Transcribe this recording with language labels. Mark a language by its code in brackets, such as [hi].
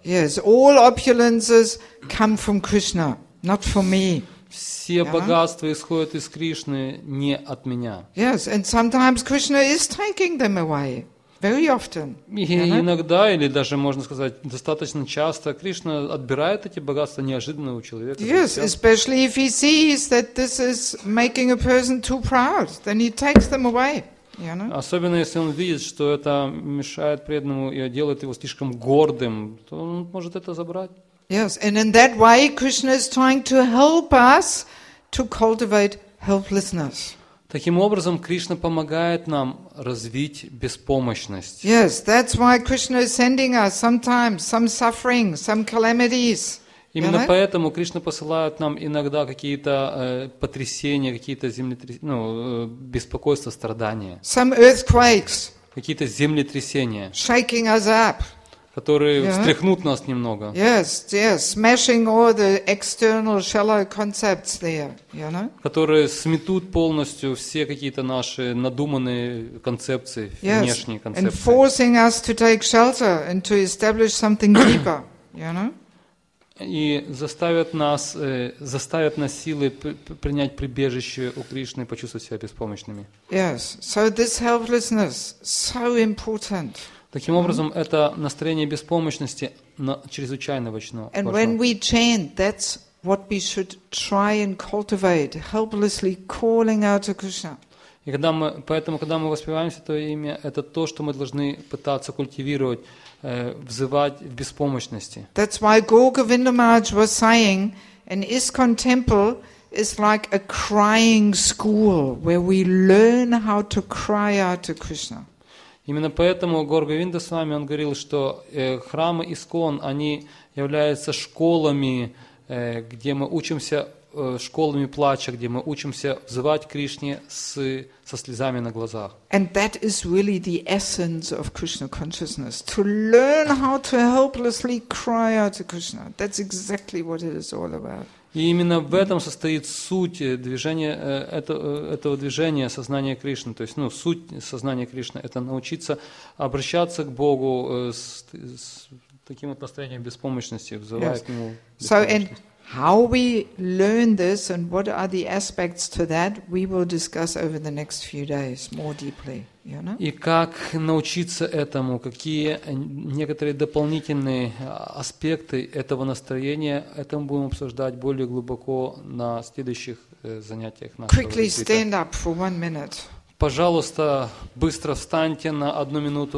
[en] Yes, all opulences come from Krishna, not from me. [ru] Все богатства исходят из Кришны, не от меня. [en] Yes, and sometimes Krishna is taking them away. Very often. [ru] Иногда, или даже можно сказать, достаточно часто Кришна отбирает эти богатства неожиданно у человека. [en] Yes, especially if he sees that this is making a person too proud, then he takes them away. [ru] Особенно если он видит, что это мешает преданному и делает его слишком гордым, то он может это забрать. [en] Yes, and in that way Krishna is trying to help us to cultivate helplessness. [ru] Таким образом, Кришна помогает нам развить беспомощность. [en] Yes, that's why Krishna is sending us sometimes some suffering, some calamities. [ru] Именно поэтому Кришна посылает нам иногда какие-то потрясения, какие-то землетрясения, беспокойства, страдания. [en] Some earthquakes. [ru] Какие-то землетрясения. [en] Shaking us up. [ru] Которые встряхнут нас немного. [en] Yes, yes, smashing all the external shallow concepts there, [ru] Которые сметут полностью все какие-то наши надуманные концепции, внешние концепции. [en] And forcing us to take shelter and to establish something deeper, [ru] И заставят нас силы принять прибежище у Кришны, почувствовать себя беспомощными. [en] Yes, so this helplessness so important. [ru] Таким образом, это настроение беспомощности чрезвычайно важно. [en] And when we chant, that's what we should try and cultivate, helplessly calling out to Krishna. [ru] И когда мы, поэтому, когда мы воспеваем Святое Имя, это то, что мы должны пытаться культивировать, взывать в беспомощности. [en] That's why Gaur Govinda Maharaj was saying, an ISKCON temple is like a crying school, where we learn how to cry out to Krishna. [ru] Именно поэтому Гаур Говинда Свами, он говорил, что храмы ИСКОН, они являются школами, где мы учимся, школами плача, где мы учимся взывать Кришне со слезами на глазах. [en] And that is really the essence of Krishna consciousness, to learn how to helplessly cry out to Krishna. That's exactly what it is all about. [ru] И именно в этом состоит суть движения, этого движения сознания Кришны. То есть, суть сознания Кришны – это научиться обращаться к Богу с таким вот настроением беспомощности, взывая к Нему. [en] So, and how we learn this and what are the aspects to that, we will discuss over the next few days more deeply. [ru] И как научиться этому, какие некоторые дополнительные аспекты этого настроения, это мы будем обсуждать более глубоко на следующих занятиях нашего [en] ретрита. Quickly stand up for one minute. [ru] Пожалуйста, быстро встаньте на одну минуту.